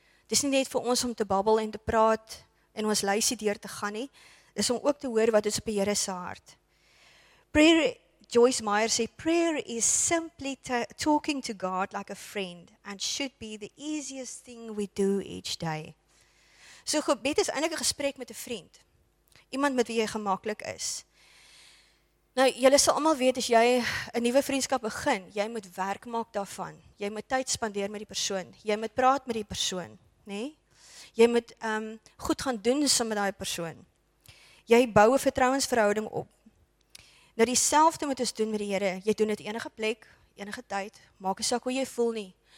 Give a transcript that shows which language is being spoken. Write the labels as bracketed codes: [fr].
[af] Dit is nie net vir ons om te babbel en te praat en ons lysie deur te gaan nie. Dit is om ook te hoor wat is op die Here se hart. [en] Prayer, Joyce Meyer sê, prayer is simply talking to God like a friend and should be the easiest thing we do each day. [af] So gebed is eintlik 'n gesprek met 'n vriend. Iemand met wie jy gemaklik is. Nou, julle sal almal weet, as jy 'n nuwe vriendskap begin, jy moet werk maak daarvan. Jy moet tyd spandeer met die persoon. Jy moet praat met die persoon, nê? Jy moet goed gaan doen saam met daai persoon. Jy bou 'n vertrouensverhouding op. Nou, dieselfde moet ons doen met die Here. Jy doen dit enige plek, enige tyd. Maak nie saak hoe jy voel nie.